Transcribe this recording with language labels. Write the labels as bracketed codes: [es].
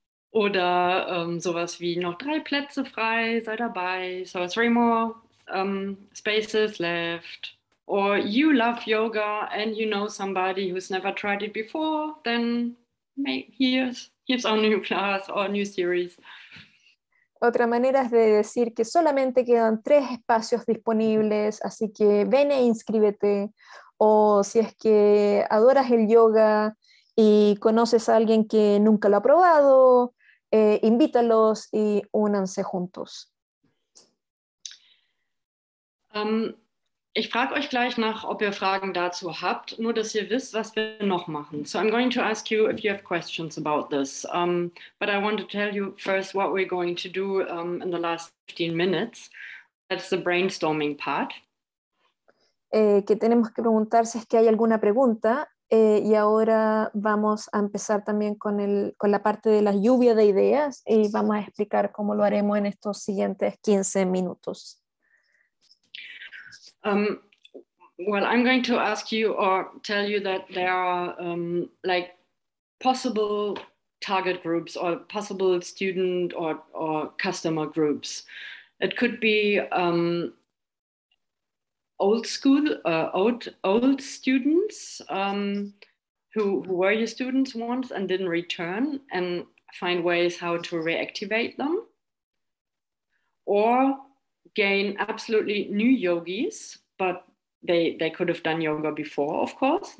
[de] Oder sowas wie noch 3 Plätze frei, sei dabei. [en] So 3 more spaces left. Or you love yoga and you know somebody who's never tried it before, then here's our new class or new series. [es] Otra manera es de decir que solamente quedan 3 espacios disponibles, así que ven e inscríbete. O si es que adoras el yoga y conoces a alguien que nunca lo ha probado, invítalos y únanse juntos. [de] Ich frage euch gleich nach, ob ihr Fragen dazu habt, nur dass ihr wisst, was wir noch machen. [en] So I'm going to ask you if you have questions about this. But I want to tell you first what we're going to do in the last 15 minutes. That's the brainstorming part. [es] Que tenemos que preguntar si es que hay alguna pregunta. Y ahora vamos a empezar también con la parte de la lluvia de ideas y vamos a explicar cómo lo haremos en estos siguientes 15 minutos. [en] Well, I'm going to ask you or tell you that there are like possible target groups or possible student or customer groups. It could be old school, old students who were your students once and didn't return, and find ways how to reactivate them, or gain absolutely new yogis, but they could have done yoga before, of course.